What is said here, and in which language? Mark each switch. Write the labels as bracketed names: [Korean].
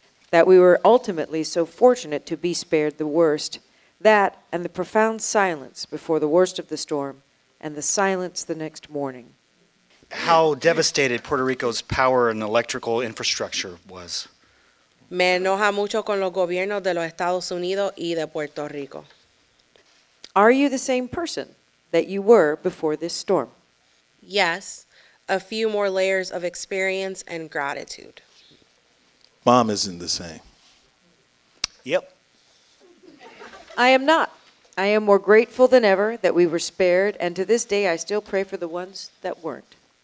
[English] That we were ultimately so fortunate to be spared the worst. That and the profound silence before the worst of the storm and the silence the next morning. How devastated Puerto Rico's power and electrical infrastructure was. [Spanish] Me enoja mucho con los gobiernos de los Estados Unidos y de Puerto Rico. [English] Are you the same person that you were before this storm? Yes, a few more layers of experience and gratitude. Mom isn't the same. Yep. I am not. I am more grateful than ever that we were spared, and to this day I still pray for the ones that weren't.